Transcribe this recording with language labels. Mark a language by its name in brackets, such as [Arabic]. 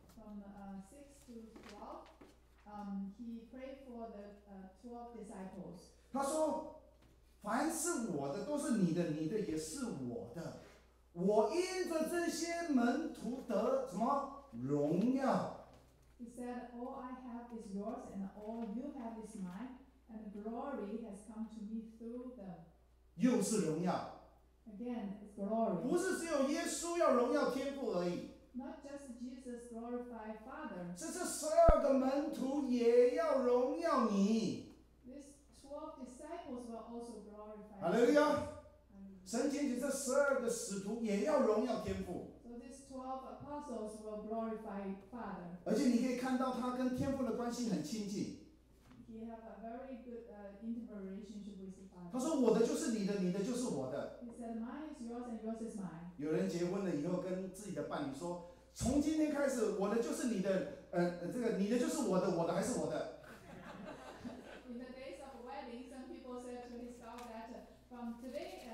[English] From 6 to 12, he prayed for the 12 disciples. [Chinese] 他说：“凡是我的都是你的，你的也是我的。我因着这些门徒得什么荣耀？” [English] He said, "All I have is yours, and all you have is mine, and glory has come to me through them." [Chinese] 又是荣耀。 [English] Again, it's glory. [Chinese] 不是只有耶稣要荣耀天父而已。 [English] Not just Jesus glorify Father. [Chinese] 是这十二个门徒也要荣耀你。 [English] These 12 disciples were also glorified. Hallelujah. [Chinese] 神拣选这十二个使徒也要荣耀天父。 [English] So these 12 apostles will glorify Father. [Chinese] 而且你可以看到他跟天父的关系很亲近。 [English] He have a very good intimate relationship with Father. [Chinese] 他说我的就是你的，你的就是我的。 [English] He said, "Mine is yours and yours is mine." [Chinese] 有人结婚了以后跟自己的伴侣说，从今天开始我的就是你的，这个你的就是我的，我的还是我的。 [English] In the days of weddings, some people said to his wife that.